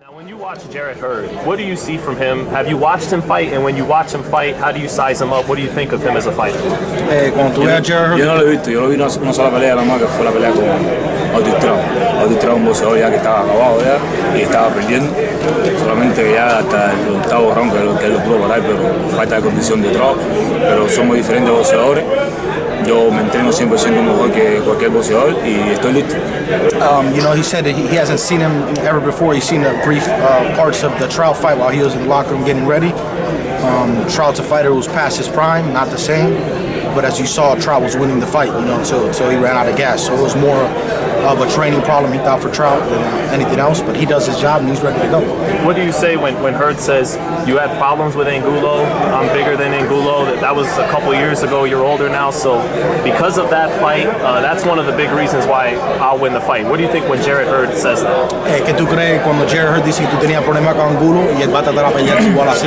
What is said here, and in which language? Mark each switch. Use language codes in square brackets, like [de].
[en] When you watch Jared Hurd, what do you see from him? Have you watched him fight? And when you watch him fight, how do you size him up? What do you think of him as a fighter? [es] Yo no lo he visto. Yo lo vi una sola pelea, nada más, que fue la pelea con Audit Trump. Audit Trump, un boxeador ya que estaba acabado ya y estaba perdiendo. Solamente ya hasta el octavo round, que él lo pudo parar, pero falta de condición de Trump. Pero somos diferentes boxeadores. Yo me entreno 100% mejor que cualquier boxeador y estoy listo. [en] You know, he said that he hasn't seen him ever before. He's seen the brief parts of the Trout fight while he was in the locker room getting ready. Trout's a fighter who's past his prime, not the same. But as you saw, Trout was winning the fight, you know, until he ran out of gas. So it was more of a training problem, he thought, for Trout than anything else. But he does his job and he's ready to go. What do you say when Hurd says you had problems with Angulo, I'm bigger than Angulo, that was a couple years ago, you're older now. So because of that fight, that's one of the big reasons why I'll win the fight. What do you think when Jared Hurd says that? [es] Que tú crees cuando Jared Hurd dice que tú tenías problemas con Angulo y él va a tratar de pelear igual así?